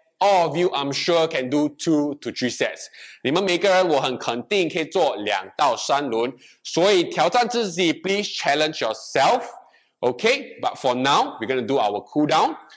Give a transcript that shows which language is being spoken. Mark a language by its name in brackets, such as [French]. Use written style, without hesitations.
[English] All of you, I'm sure, can do 2 to 3 sets. [Chinese] 你们每个人我很肯定可以做2到3轮。所以挑战自己， [English] please challenge yourself. Okay, but for now, we're going to do our cool down.